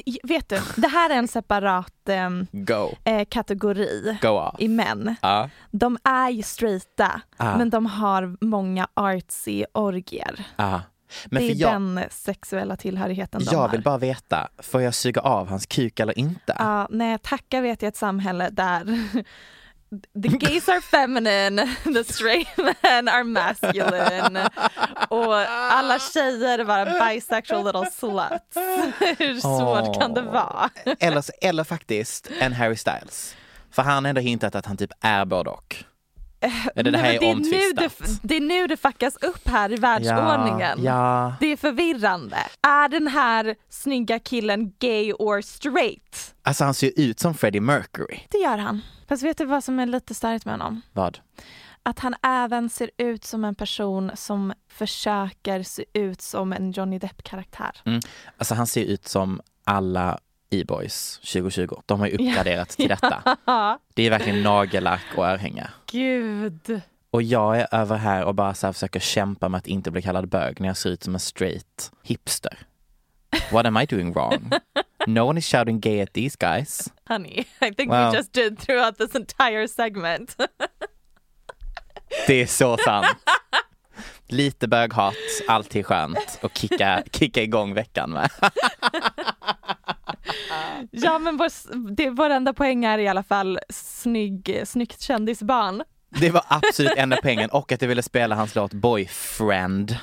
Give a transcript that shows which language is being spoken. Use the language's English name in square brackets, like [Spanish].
[Swedish] Vet du, det här är en separat kategori i män. De är ju straighta, men de har många artsy orger. Men det är den sexuella tillhörigheten de har. Jag vill bara veta, får jag suga av hans kuk eller inte? Nej, tacka vet jag ett samhälle där... [English] The gays are feminine, the straight men are masculine. [Swedish] Och alla tjejer är bara [English] bisexual little sluts. [Swedish] Hur svårt kan det vara? Eller faktiskt en Harry Styles. För han har ändå hintat att han typ är både och. Det är nu det fuckas upp här i världsordningen. Ja, ja. Det är förvirrande. Är den här snygga killen [English] gay or straight? [Swedish] Alltså han ser ut som Freddie Mercury. Det gör han. Fast vet du vad som är lite starkt med honom? Vad? Att han även ser ut som en person som försöker se ut som en Johnny Depp-karaktär. Mm. Alltså han ser ut som alla e-boys 2020. De har ju uppgraderat till detta. Det är verkligen nagellack och örhänge. Gud. Och jag är över här och bara så här försöker kämpa med att inte bli kallad bög när jag ser ut som en straight hipster. [English] What am I doing wrong? No one is shouting gay at these guys. Honey, I think we just did throughout this entire segment. [Swedish] Det är så sant. Lite böghat, alltid skönt och kicka igång veckan med. Ja, men vår enda poäng är i alla fall snyggt kändisbarn. Det var absolut enda poängen. Och att jag ville spela hans låt Boyfriend.